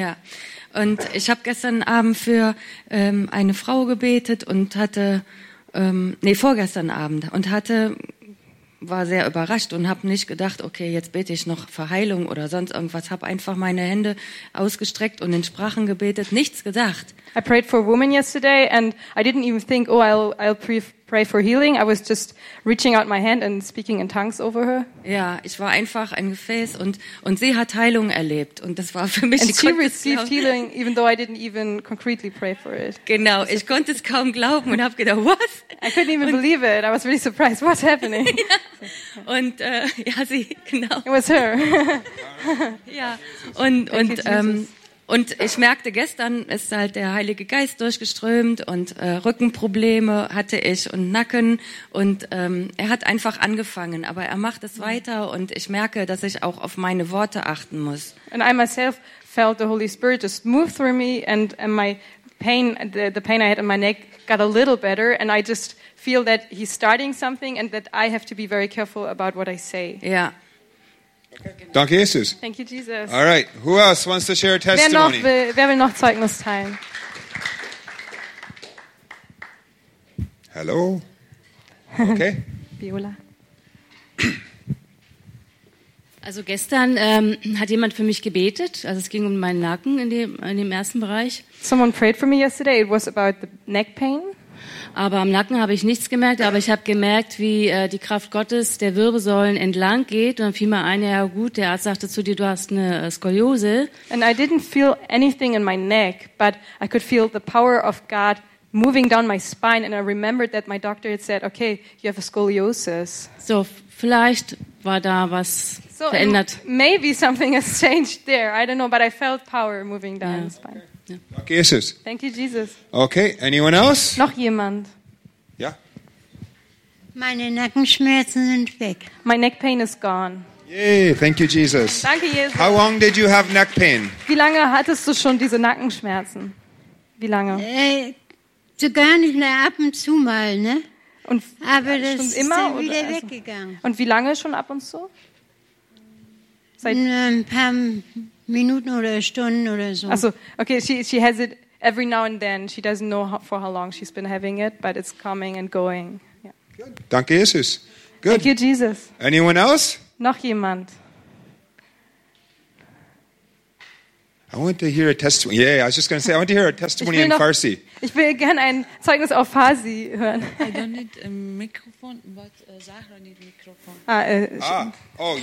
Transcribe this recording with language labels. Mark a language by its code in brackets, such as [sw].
[de] Ja, und ich habe gestern Abend für eine Frau gebetet und hatte, vorgestern Abend und hatte war sehr überrascht und habe nicht gedacht, okay, jetzt bete ich noch für Heilung oder sonst irgendwas. Habe einfach meine Hände ausgestreckt und in Sprachen gebetet, nichts gedacht. [en] I prayed for a woman yesterday and I didn't even think, oh, I'll pray for healing. I was just reaching out my hand and speaking in tongues over her. [de] Ja, ich war einfach ein Gefäß und sie hat Heilung erlebt und das war für mich. [en] And she received healing even though I didn't even concretely pray for it. [de] Genau, ich konnte es kaum glauben und habe gedacht, what? [en] I couldn't even believe it. I was really surprised. What's happening? Ja. [de] Und ja, sie genau. [en] It was her. [de] Ja, und und ich merkte gestern, ist halt der Heilige Geist durchgeströmt und Rückenprobleme hatte ich und Nacken und er hat einfach angefangen, aber er macht es weiter und ich merke, dass ich auch auf meine Worte achten muss. [en] And I myself felt the Holy Spirit just move through me and my pain, the pain I had in my neck got a little better and I just feel that he's starting something and that I have to be very careful about what I say. [de] Ja. Danke, Jesus. [en] Thank you, Jesus. All right. Who else wants to share a testimony? [de] Wer will noch Zeugnis teilen? [en] Hello. Okay. Viola. [de] Also gestern hat jemand für mich gebetet. Also es ging um meinen Nacken in dem ersten Bereich. [en] Someone prayed for me yesterday. It was about the neck pain. [de] Aber am Nacken habe ich nichts gemerkt, aber ich habe gemerkt, wie die Kraft Gottes der Wirbelsäulen entlang geht. Und dann fiel mir ein, ja gut, der Arzt sagte zu dir, du hast eine Skoliose. [en] And I didn't feel anything in my neck, but I could feel the power of God moving down my spine. And I remembered that my doctor had said, okay, you have a scoliosis. [de] So, vielleicht war da was so verändert. [en] Maybe something has changed there. I don't know, but I felt power moving down the spine. Yeah. Okay, Jesus. Thank you, Jesus. Okay, anyone else? [de] Noch jemand? Ja. Meine Nackenschmerzen sind weg. [en] My neck pain is gone. Yay, thank you, Jesus. [de] Danke, Jesus. [en] How long did you have neck pain? [de] Wie lange hattest du schon diese Nackenschmerzen? Wie lange? So gar nicht mehr, ab und zu mal, ne? Und aber das ist immer, dann wieder also, weggegangen. Und wie lange schon ab und zu? Seit ein paar Minuten oder Stunden oder so. [en] Also, okay, she has it every now and then. She doesn't know for how long she's been having it, but it's coming and going. Yeah. Good. [de] Danke, Jesus. [en] Good. Thank you, Jesus. Anyone else? [de] Noch jemand? [en] I want to hear a testimony. Yeah, I was just going to say, I want to hear a testimony in Farsi. [de] Ich will gerne ein Zeugnis auf Farsi hören. [en] I don't need a microphone, but Sahra needs a microphone.